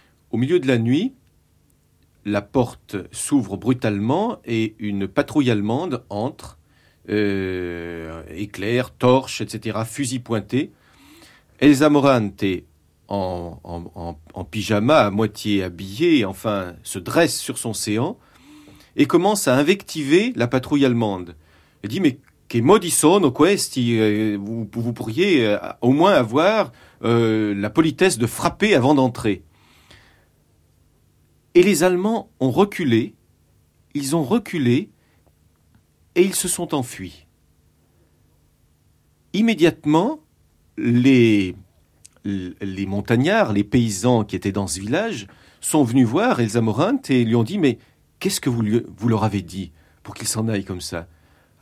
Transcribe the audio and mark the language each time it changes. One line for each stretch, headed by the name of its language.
French: Au milieu de la nuit, la porte s'ouvre brutalement et une patrouille allemande entre. Éclairs, torches, etc., fusils pointés. Elsa Morante, en pyjama, à moitié habillée, enfin, se dresse sur son séant et commence à invectiver la patrouille allemande. Elle dit « Mais
Italian: che modi sono questi ?
French: Vous pourriez au moins avoir la politesse de frapper avant d'entrer. » Et les Allemands ont reculé. Ils ont reculé. Et ils se sont enfuis. Immédiatement, les montagnards, les paysans qui étaient dans ce village, sont venus voir Elsa Morante et lui ont dit « Mais qu'est-ce que vous leur avez dit pour qu'ils s'en aillent comme ça ?»